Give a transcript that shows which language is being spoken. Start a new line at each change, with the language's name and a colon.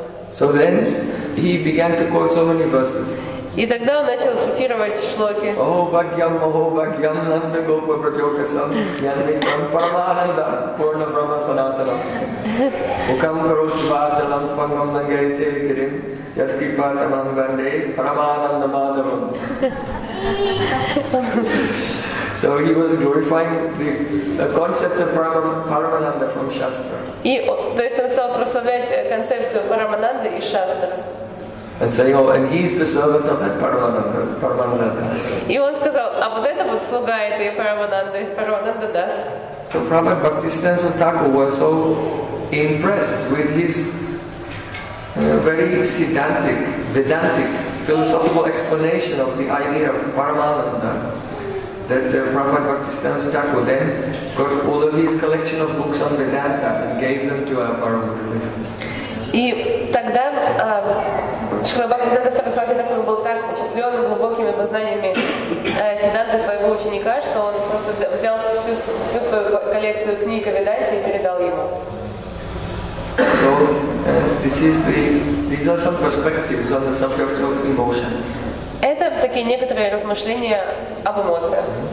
English: So then he began to quote so many verses.
Russian: И тогда он начал цитировать шлоки.
Sanskrit: О, Бхагьям, о, Бхагьям, Нанда Гопа Братьока Сам, Яннитам Парамананда, Пурна Брама Санатана. Укам Харус Бхаджалам Пангам Нагарите Викирим, Ядхи Бхатамам Ганде, Парамананда Мадава.
English: So he was glorifying the concept of Парамананда from Shastra.
Russian: И, то есть он стал прославлять концепцию Парамананды из Шастра.
English: And saying, oh, and he is the servant of that Paramananda.
Russian: И он сказал, а вот это вот слуга этой Парамананды, Парамананда Дас.
English: So Prabhupada Bhaktisiddhanta Thakur was so impressed with his very siddhantic, Vedantic, philosophical explanation of the idea of Paramananda that Prabhupada Bhaktisiddhanta Thakur then got all of his collection of books on Vedanta and gave them to our Paramananda.
Russian: И тогда Шрила Бхактисиддханта Сарасвати Такур был так впечатлен глубокими познаниями Сиддханты своего ученика, что он просто взял всю свою коллекцию книг о Веданте и передал ему.
English: So, these are some perspectives on the subject of emotion.
Russian: Это такие некоторые размышления об эмоциях.